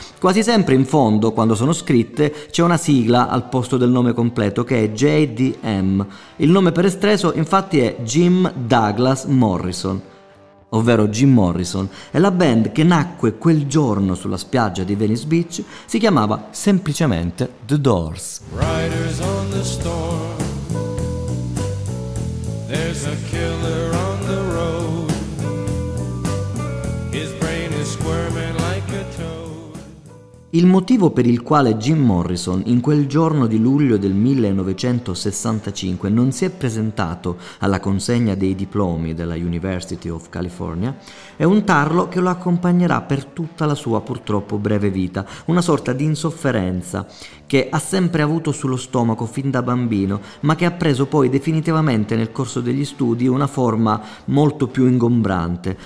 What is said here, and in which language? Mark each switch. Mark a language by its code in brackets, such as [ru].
[it] Quasi sempre in fondo, quando sono scritte, c'è una sigla al posto del nome completo, che è JDM. Il nome per esteso, infatti, è Jim Douglas Morrison, ovvero Jim Morrison, e la band che nacque quel giorno sulla spiaggia di Venice Beach si chiamava semplicemente The Doors. [en] Riders on the storm, there's a killer on the road, his brain is squirming like a toad. [it] Il motivo per il quale Jim Morrison, in quel giorno di luglio del 1965, non si è presentato alla consegna dei diplomi della University of California, è un tarlo che lo accompagnerà per tutta la sua purtroppo breve vita, una sorta di insofferenza che ha sempre avuto sullo stomaco fin da bambino, ma che ha preso poi definitivamente nel corso degli studi una forma molto più ingombrante.